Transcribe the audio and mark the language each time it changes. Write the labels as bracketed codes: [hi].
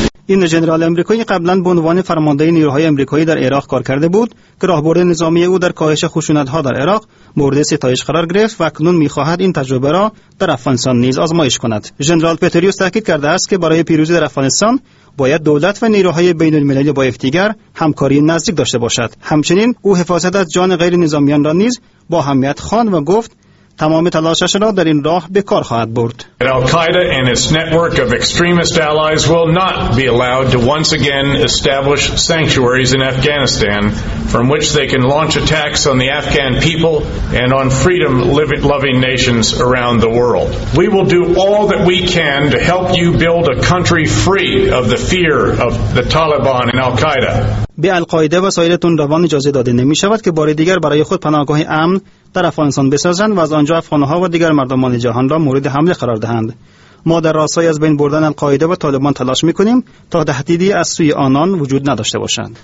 [fa] این ژنرال آمریکایی قبلا به عنوان فرمانده نیروهای آمریکایی در عراق کار کرده بود که راهبرد نظامی او در کاهش خشونت‌ها در عراق مورد ستایش قرار گرفت و اکنون می‌خواهد این تجربه را در افغانستان نیز آزمایش کند. ژنرال پتراوس تأکید کرده است که برای پیروزی در افغانستان باید دولت و نیروهای بین المللی با یکدیگر همکاری نزدیک داشته باشد. همچنین او حفاظت از جان غیر نظامیان را نیز با اهمیت خواند و گفت تمام تلاشش را در این راه به کار خواهد برد. [en] Al-Qaeda and its network of extremist allies will not be allowed to once again establish sanctuaries in Afghanistan from which they can launch attacks on the Afghan people and on freedom loving nations around the world. We will do all that we can to help you build a country free of the fear of the Taliban and Al-Qaeda. [fa] به القاعده و سایر تندروان اجازه داده نمی شود که بار دیگر برای خود پناهگاه امن در افغانستان بسازند و از آنجا افغانها و دیگر مردمان جهان را مورد حمله قرار دهند. ما در راستای از بین بردن القاعده و طالبان تلاش می کنیم تا تهدیدی از سوی آنان وجود نداشته باشند.